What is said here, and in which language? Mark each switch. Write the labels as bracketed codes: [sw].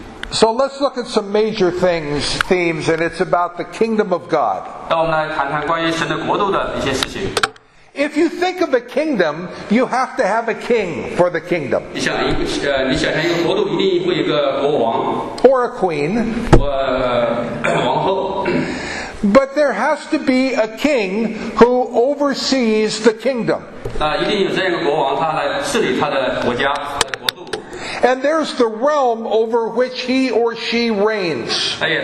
[en] So let's look at some major things, themes, and it's about the kingdom of God. [zh] 让我们来谈谈关于神的国度的一些事情。 [en] If you think of a kingdom, you have to have a king for the kingdom. [zh] 你想象一个国度，一定会有一个国王。 [en] Or a queen. [zh] 或王后。 [en] But there has to be a king who oversees the kingdom. [zh] 一定有这样一个国王，他来治理他的国家。 [en] And there's the realm over which he or she reigns.